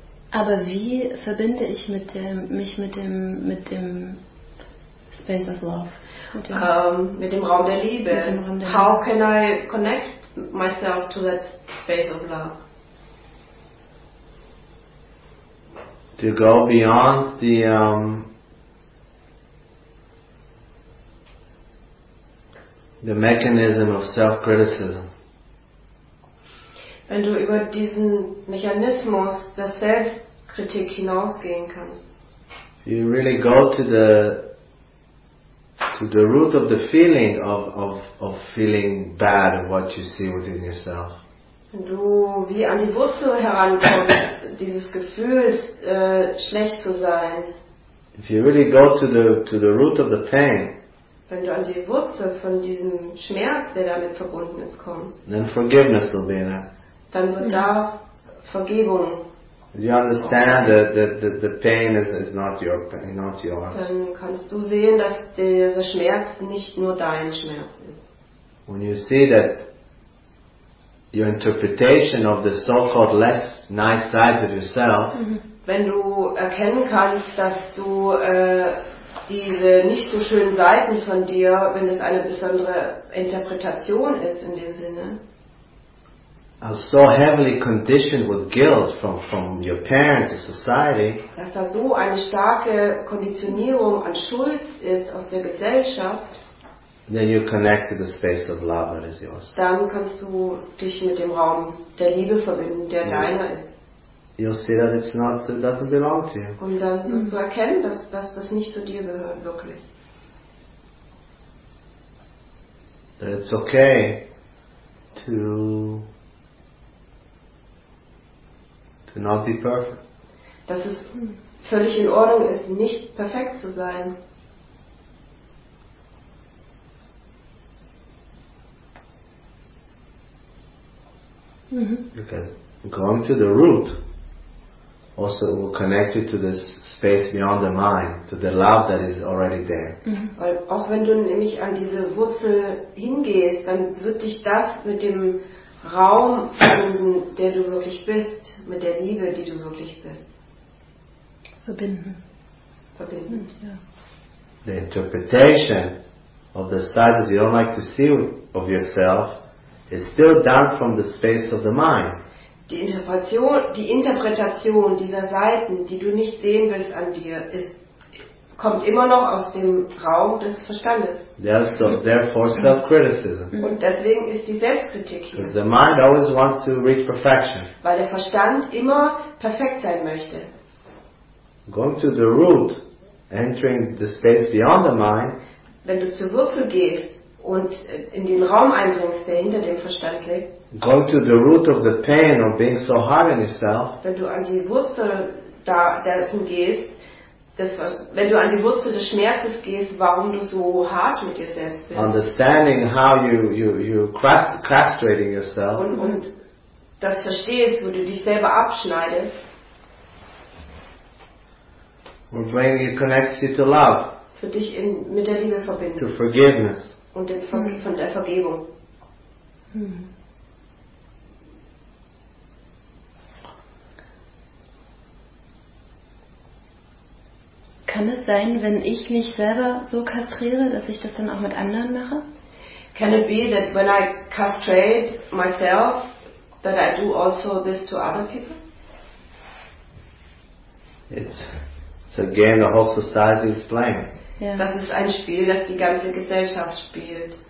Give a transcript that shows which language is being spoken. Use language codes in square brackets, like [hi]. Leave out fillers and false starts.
[de] Aber wie verbinde ich mich mit dem [en] Space of Love? [de] Mit dem Raum der Liebe. Mit dem Raum der [en] How can I connect myself to that space of love? To go beyond the the mechanism of self-criticism. [de] Wenn du über diesen Mechanismus der Selbstkritik hinausgehen kannst. [en] You really go to the root of the feeling of feeling bad of what you see within yourself. [de] Wenn du wie an die Wurzel herankommst, dieses Gefühls schlecht zu sein. [en] If you really go to the root of the pain. [de] Wenn du an die Wurzel von diesem Schmerz, der damit verbunden ist, kommst. [en] Then forgiveness will be there. [de] Dann wird da Vergebung. [en] You understand that the pain is not your pain, not yours. [de] Dann kannst du sehen, dass dieser Schmerz nicht nur dein Schmerz ist. [en] When you see that your interpretation of the so-called less nice sides of yourself. [de] Wenn du erkennen kannst, dass du diese nicht so schönen Seiten von dir, wenn das eine besondere Interpretation ist in dem Sinne. [en] Are so heavily conditioned with guilt from your parents or society. [de] Dass da so eine starke Konditionierung an Schuld ist aus der Gesellschaft. [en] Then you connect to the space of love that is yours. [de] Dann kannst du dich mit dem Raum der Liebe verbinden, der deiner ist. [en] You'll see that it's not, that doesn't belong to you. [de] Und dann wirst du erkennen, dass das nicht zu dir gehört, wirklich. [en] That it's okay to not be perfect. [de] Dass es völlig in Ordnung ist, nicht perfekt zu sein. [en] Okay. Going to the root also will connect you to this space beyond the mind, to the love that is already there. [de] Weil auch wenn du nämlich an diese Wurzel hingehst, dann wird dich das mit dem Raum verbinden, der du wirklich bist, mit der Liebe, die du wirklich bist. Verbinden. Ja. [en] The interpretation of the sides that you don't like to see of yourself is still done from the space of the mind. [de] Die Interpretation dieser Seiten, die du nicht sehen willst an dir, kommt immer noch aus dem Raum des Verstandes. [en] Therefore self-criticism. [de] Und deswegen ist die Selbstkritik hier. [en] The mind always wants to reach perfection. [de] Weil der Verstand immer perfekt sein möchte. [en] Going to the root, entering the space beyond the mind, [de] wenn du zur Wurzel gehst und in den Raum eindringst, der hinter dem Verstand liegt, [en] go to the root of the pain of being so hard on yourself, [de] wenn du an die Wurzel dessen gehst, wenn du an die Wurzel des Schmerzes gehst, warum du so hart mit dir selbst bist. [en] Understanding how you castrating yourself. [de] Und das verstehst, wo du dich selber abschneidest. [en] Und when it connects you to love. [de] Für dich mit der Liebe verbinden. To forgiveness. Und von der Vergebung. Kann es sein, wenn ich mich selber so kastriere, dass ich das dann auch mit anderen mache? [en] Can it be that when I castrate myself, that I do also this to other people? It's a game the whole society is playing. Yeah. [de] Das ist ein Spiel, das die ganze Gesellschaft spielt.